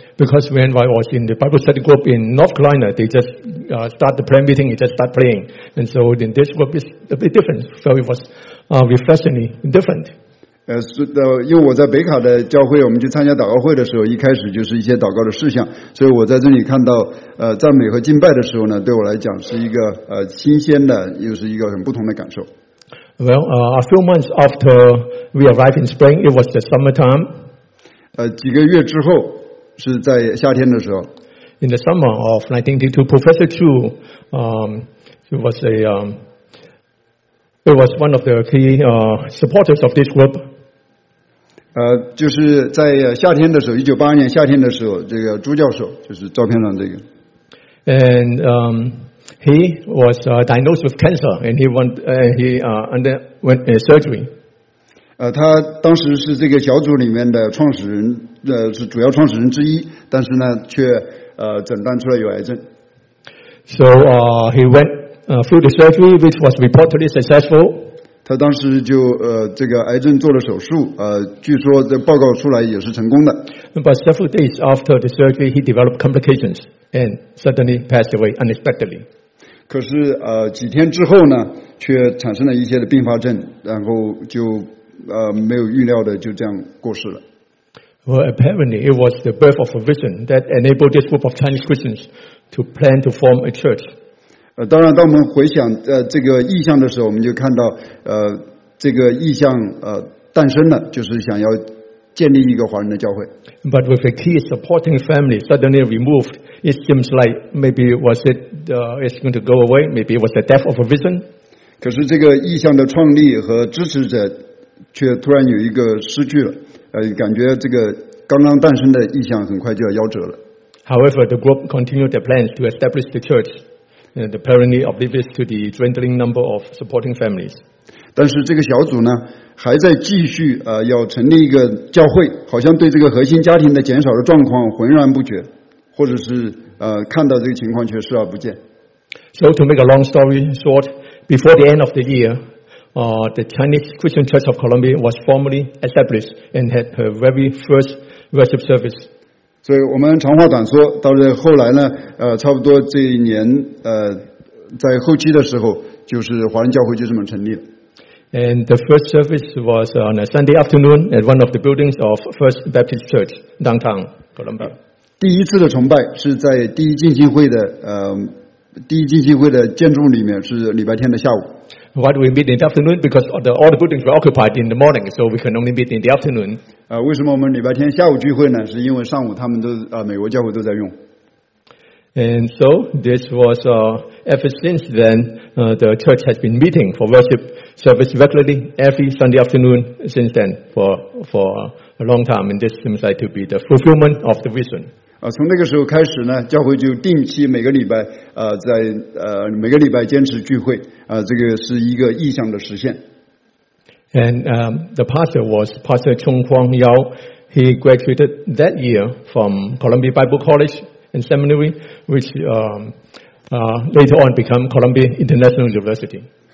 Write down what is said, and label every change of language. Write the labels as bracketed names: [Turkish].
[English] Because when I was in the Bible study group in North Carolina, they just start the prayer meeting, they just start praying. And so then this group is a bit different. So it was refreshingly different. [Chinese] 因为我在北卡的教会，我们去参加祷告会的时候，一开始就是一些祷告的事项。所以我在这里看到赞美和敬拜的时候呢，对我来讲是一个新鲜的，又是一个很不同的感受。 [English] Well, a few months after we arrived in spring, it was the summertime. [Chinese] 几个月之后是在夏天的时候。 [English] In the summer of 1982, Professor Chu, was one of the key supporters of this group. [Chinese] 就是在夏天的时候，1982年夏天的时候，这个朱教授就是照片上这个。 [English] And he was diagnosed with cancer, and he underwent surgery. [Chinese] 他当时是这个小组里面的创始人。是主要创始人之一，但是呢，却诊断出了有癌症。 [English] So he went through the surgery, which was reportedly successful. [Chinese] 他当时就这个癌症做了手术，据说这报告出来也是成功的。 [English] But several days after the surgery, he developed complications and suddenly passed away unexpectedly. [Chinese] 可是几天之后呢，却产生了一些的并发症，然后就没有预料的就这样过世了。 [English] Well, apparently, it was the birth of a vision that enabled this group of Chinese Christians to plan to form a church. [Chinese] 当然，当我们回想这个意象的时候，我们就看到这个意象诞生了，就是想要建立一个华人的教会。 [English] But with a key supporting family suddenly removed, it seems like maybe was it it's going to go away? Maybe it was the death of a vision. [Chinese] 可是这个意象的创立和支持者却突然有一个失去了。感觉这个刚刚诞生的意向很快就要夭折了。 [English] However, the group continued their plans to establish the church, apparently oblivious to the dwindling number of supporting families. [Chinese] 但是这个小组呢，还在继续要成立一个教会，好像对这个核心家庭的减少的状况浑然不觉，或者是看到这个情况却视而不见。 [English] So to make a long story short, before the end of the year, the Chinese Christian Church of Colombia was formally established and had her very first worship service. [Chinese] 所以我们长话短说，到了后来呢，差不多这一年，在后期的时候，就是华人教会就这么成立了。 [English] And the first service was on a Sunday afternoon at one of the buildings of First Baptist Church downtown Colombia. [Chinese] 第一次的崇拜是在第一浸信会的第一浸信会的建筑里面，是礼拜天的下午。 [English] Why do we meet in the afternoon? Because all the buildings were occupied in the morning, so we can only meet in the afternoon. [Chinese] 为什么我们礼拜天下午聚会呢？是因为上午他们都美国教会都在用。 [English] And so this was ever since then the church has been meeting for worship service regularly every Sunday afternoon since then for a long time, and this seems like to be the fulfillment of the vision. [Chinese] 从那个时候开始呢，教会就定期每个礼拜在每个礼拜坚持聚会这个是一个意向的实现。 [English] And the pastor was Pastor Chung Kwang Yao. He graduated that year from Columbia Bible College. And seminary, which later on became Columbia International University.